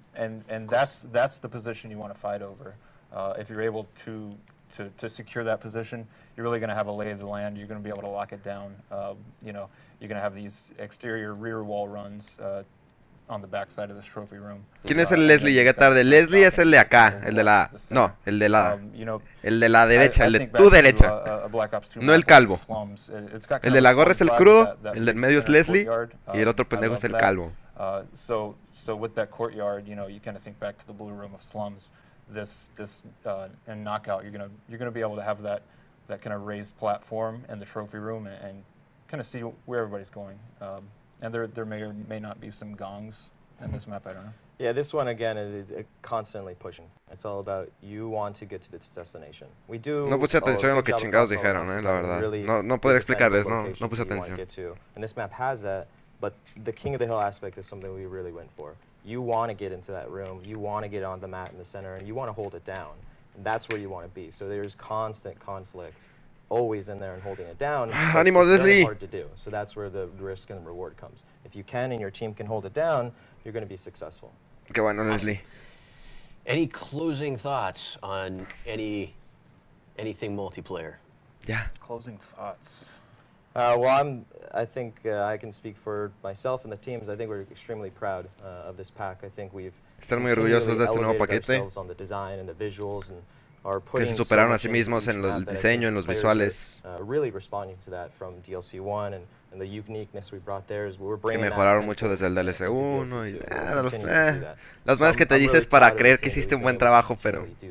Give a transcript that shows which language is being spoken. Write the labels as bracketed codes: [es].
[en] And that's the position you want to fight over. If you're able to secure that position, you're really going to have a lay of the land. You're going to be able to lock it down. You're going to have these exterior rear wall runs on the back side of this trophy room. [es] ¿Quién es el Leslie? Llegué tarde. Leslie es el de acá, el de la no, el de la el de la derecha, el de tu derecha. No el calvo. El de la gorra es el crudo, el del medio es Leslie y el otro pendejo es el calvo. [en] So with that courtyard, you know, you kind of think back to the blue room of slums. This in Knockout, you're gonna be able to have that kind of raised platform in the trophy room and kind of see where everybody's going. And there may or may not be some gongs in this map. I don't know. Yeah, this one again is constantly pushing. It's all about you want to get to the destination. We do. [es] No puse atención a lo que chingados dijeron, la verdad. Really no poder explicarles. No puse atención. [en] And this map has that. But the King of the Hill aspect is something we really went for. You want to get into that room. You want to get on the mat in the center, and you want to hold it down. And that's where you want to be. So there's constant conflict, always in there and holding it down. Animals, it's really hard to do. So that's where the risk and the reward comes. If you can and your team can hold it down, you're going to be successful. [es] Qué bueno, Leslie. [en] Any closing thoughts on anything multiplayer? Yeah. Closing thoughts. I can speak for myself and the teams. I think we're extremely proud of this pack. I think we've [es] Están muy orgullosos de este nuevo paquete. [en] On the design and the visuals and [es] que se superaron a sí mismos en el diseño, en los visuales. Que mejoraron mucho desde el DLC 1. Y, las maneras que te dices para creer que hiciste un buen trabajo, pero...